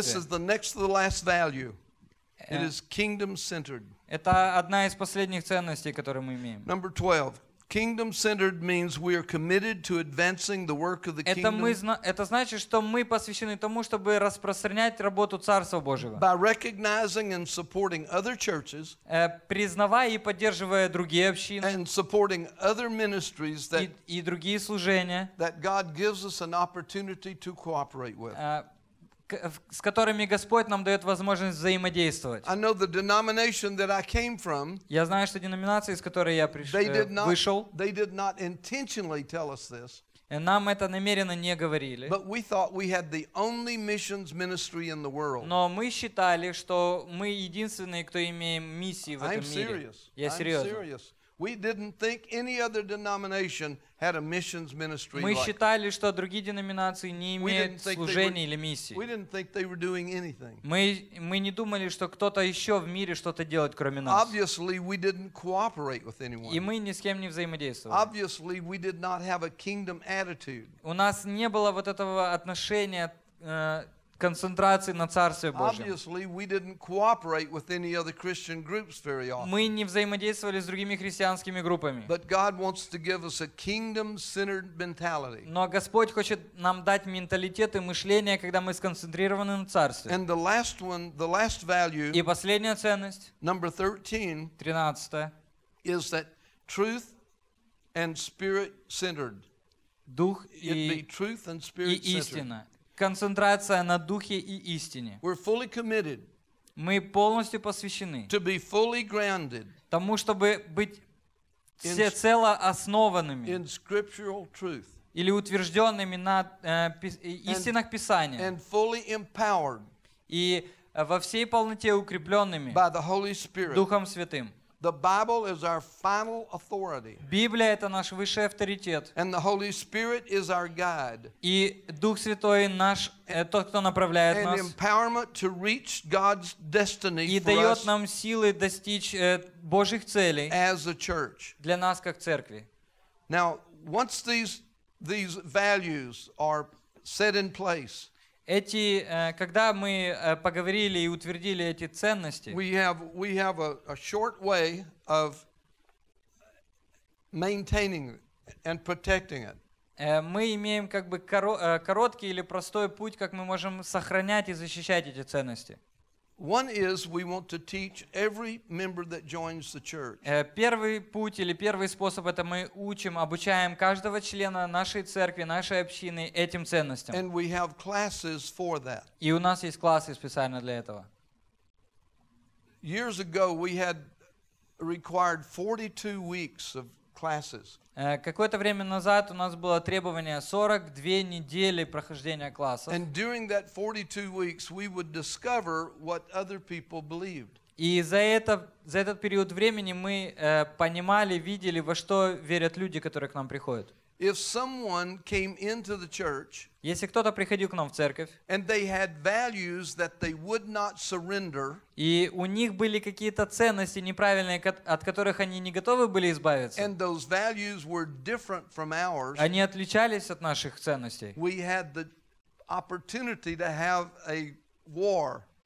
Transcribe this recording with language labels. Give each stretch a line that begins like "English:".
English: This is the next to the last value. It is kingdom centered.
Russian: Это одна из последних ценностей, которые мы имеем.
English: Number 12. Kingdom-centered means we are committed to advancing the work of the kingdom.
Russian: Это значит, что мы посвящены тому, чтобы распространять работу Царства Божьего.
English: By recognizing and supporting other churches.
Russian: Признавая и поддерживая другие общины.
English: And supporting other ministries that.
Russian: И другие служения.
English: That God gives us an opportunity to cooperate with.
Russian: С которыми Господь нам дает возможность взаимодействовать.
English: I know the denomination that I came from,
Russian: я знаю, что деноминация, из которой я вышел,
English: they did not intentionally tell us this,
Russian: нам это намеренно не говорили.
English: But we thought we had the only missions ministry in the world.
Russian: Но мы считали, что мы единственные, кто имеем миссии в этом
English: I'm serious.
Russian: Мире. Я серьезно.
English: I'm serious. We didn't think any other denomination had a missions ministry.
Russian: Мы считали, что другие деноминации не имеют служения или миссии.
English: We didn't think they were doing anything.
Russian: Мы не думали, что кто-то еще в мире что-то делает, кроме нас.
English: Obviously, we didn't cooperate with anyone.
Russian: И мы ни с кем не взаимодействовали.
English: Obviously, we did not have a kingdom attitude.
Russian: У нас не было вот этого отношения. Концентрации на Царстве Божьем. Мы не взаимодействовали с другими христианскими группами.
English: But God wants to give us a kingdom-centered mentality.
Russian: Но Господь хочет нам дать менталитет и мышление, когда мы сконцентрированы на Царстве.
English: And the last one, the last value,
Russian: и последняя ценность,
English: number 13,
Russian: 13,
English: is that truth and spirit-centered.
Russian: Дух и,
English: It'd be truth and spirit-centered.
Russian: И истина. Концентрация на духе и истине.
English: We're fully committed.
Russian: Мы полностью посвящены.
English: To be fully grounded.
Russian: Тому, чтобы быть всецело основанными.
English: In scriptural truth.
Russian: Или утвержденными на истинах Писания.
English: And fully empowered.
Russian: И во всей полноте укрепленными.
English: By the Holy Spirit.
Russian: Духом Святым.
English: The Bible is our final authority.
Russian: Библия — это наш высший авторитет.
English: And the Holy Spirit is our guide.
Russian: И Дух Святой наш тот, кто направляет нас.
English: And empowerment to reach God's destiny for us.
Russian: И дает нам силы достичь Божьих целей.
English: As a church.
Russian: Для нас как церкви.
English: Now, once these values are set in place.
Russian: Эти, когда мы поговорили и утвердили эти ценности,
English: we have a short way of maintaining and protecting it.
Russian: Мы имеем как бы короткий или простой путь, как мы можем сохранять и защищать эти ценности.
English: One is we want to teach every member that joins the church.
Russian: Первый путь или первый способ — это мы учим, обучаем каждого члена нашей церкви, нашей общины этим ценностям.
English: And we have classes for that.
Russian: И у нас есть классы специально для этого.
English: Years ago we had required 42 weeks of classes.
Russian: Какое-то время назад у нас было требование 42 недели прохождения классов.
English: And during that 42 weeks, we would discover what other people believed.
Russian: И за это, за этот период времени мы понимали, видели, во что верят люди, которые к нам приходят.
English: If someone came into the church,
Russian: если кто-то приходил к нам в церковь,
English: and they had values that they would not surrender,
Russian: и у них были какие-то ценности неправильные, от которых они не готовы были избавиться,
English: and those values were different from ours,
Russian: они отличались от наших ценностей,
English: we had the opportunity to have a war.